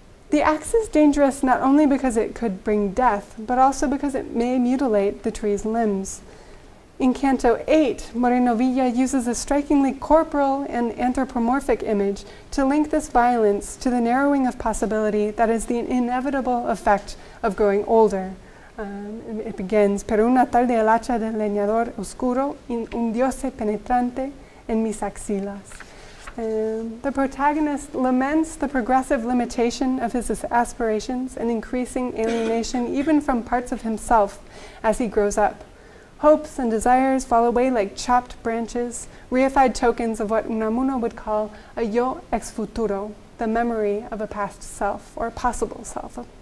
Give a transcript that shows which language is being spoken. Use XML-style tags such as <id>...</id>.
<en>The axe is dangerous not only because it could bring death, but also because it may mutilate the tree's limbs. In Canto 8, Moreno Villa uses a strikingly corporal and anthropomorphic image to link this violence to the narrowing of possibility that is the inevitable effect of growing older. It begins,</en> <es>Pero una tarde el hacha del leñador oscuro hundióse penetrante en mis axilas.</es> <en>The protagonist laments the progressive limitation of his aspirations and increasing alienation even from parts of himself as he grows up. Hopes and desires fall away like chopped branches, reified tokens of what Unamuno would call a yo ex futuro, the memory of a past self, or a possible self.</en>